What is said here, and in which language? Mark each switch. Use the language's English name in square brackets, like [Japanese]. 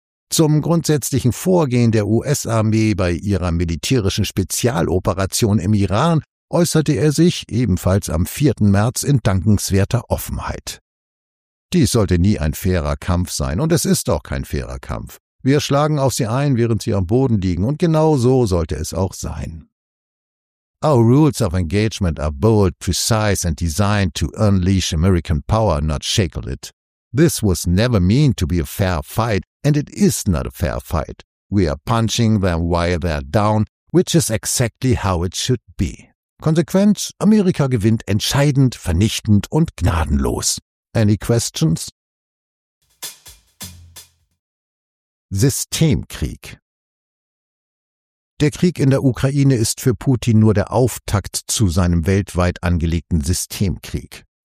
[German] Zum grundsätzlichen Vorgehen der US-Armee bei ihrer militärischen Spezialoperation im Iran äußerte er sich ebenfalls am 4. März in dankenswerter Offenheit. Dies sollte nie ein fairer Kampf sein, und es ist auch kein fairer Kampf. Wir schlagen auf sie ein, während sie am Boden liegen, und genau so sollte es auch sein. [English] Our rules of engagement are bold, precise and designed to unleash American power, not shackle it. This was never meant to be a fair fight, and it is not a fair fight. We are punching them while they're down, which is exactly how it should be. [German] Konsequenz: Amerika gewinnt entscheidend, vernichtend und gnadenlos. [English] Any questions? [German] Systemkrieg. Der Krieg in der Ukraine ist für Putin nur der Auftakt zu seinem weltweit angelegten Systemkrieg.